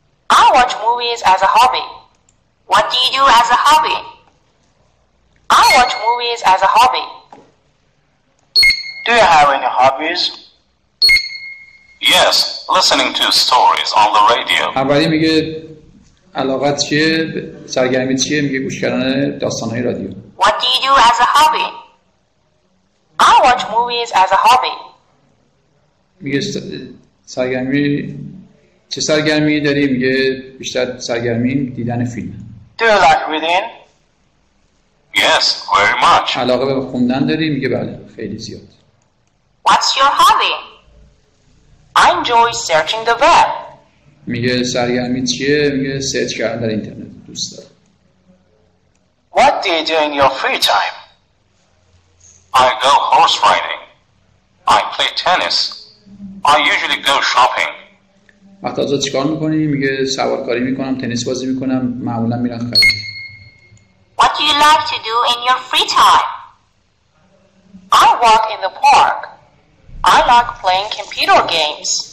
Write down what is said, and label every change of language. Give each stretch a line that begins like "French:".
English: I watch movies as a hobby. What do you do as a hobby? I watch movies as a hobby. Do you have any hobbies? Yes, listening to stories on the radio.
Persian: اولی میگه علاقت چیه؟ سرگرمی چیه؟ میگه گوش کردن داستان‌های رادیو.
English: What do you do as a hobby? I watch movies as a hobby.
Persian: میگه سرگرمی چه سرگرمی داری؟ میگه بیشتر سرگرمی دیدن فیلم.
English: Do you like reading? Yes, very much.
Persian: علاقه به خوندن داری؟ میگه بله، خیلی زیاد.
English: What's your hobby? I enjoy searching the web.
Persian: میگه سرگرمی چیه؟ میگه سرچ کردن در اینترنت دوست دارم.
English: What do you do in your free time? I go horse riding. I play tennis. I usually go shopping.
Persian: وقت آزاد چیکار میکنی؟ میگه سوارکاری میکنم، تنیس بازی میکنم، معمولا میرم خرید.
English: What do you like to do in your free time? I walk in the park. I like playing computer games.